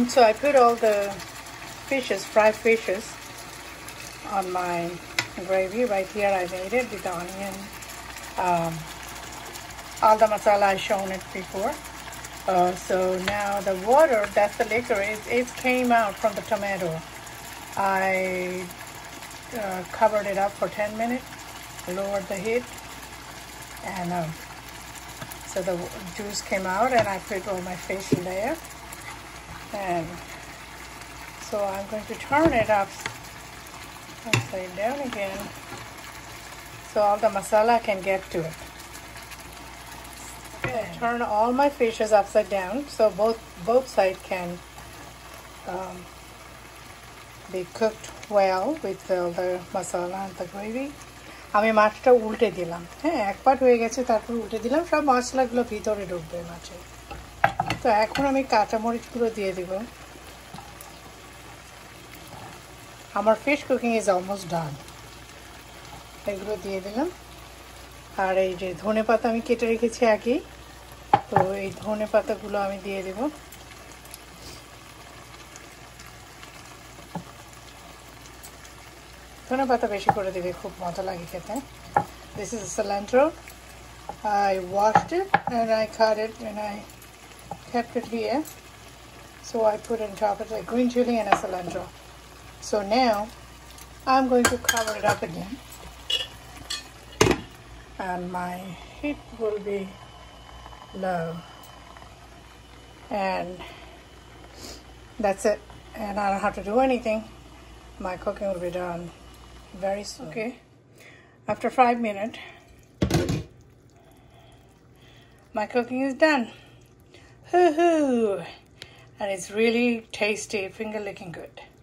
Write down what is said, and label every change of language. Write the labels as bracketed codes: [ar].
[en] I put all the fishes, fried fishes, on my gravy. Right here I made it with the onion. All the masala I shown it before. So now the water, that's the liquor, it came out from the tomato. I covered it up for 10 minutes, lowered the heat, and so the juice came out and I put all my fish in there. And so I'm going to turn it up upside down again so all the masala can get to it. Okay. Turn all my fishes upside down so both sides can be cooked well with all the masala and the gravy. [bn] আমি মাছটা উল্টে দিলাম হ্যাঁ এক পাট হয়ে গেছে তারপর উল্টে দিলাম সব মশলাগুলো ভিতরে ঢুকবে মাছে তো এখন আমি কাঁচামরিচগুলো দিয়ে দিব আমার [en] fish cooking is almost done [bn] এগুলো দিয়ে দিলাম আর এই যে ধনে পাতা আমি কেটে রেখেছি আগেই তো এই ধনে পাতাগুলো আমি দিয়ে দেবো ধনে পাতা বেশি করে দিবে খুব মজা লাগে খেতে [en] This is cilantro I washed it and I cut it and I kept it here so I put in top it green chilli and a cilantro so now I am going to cover it up again and my heat will be low and that's it and I don't have to do anything my cooking will be done Very soon. Okay. After 5 minutes, my cooking is done. Hoo-hoo! And it's really tasty, finger-licking good.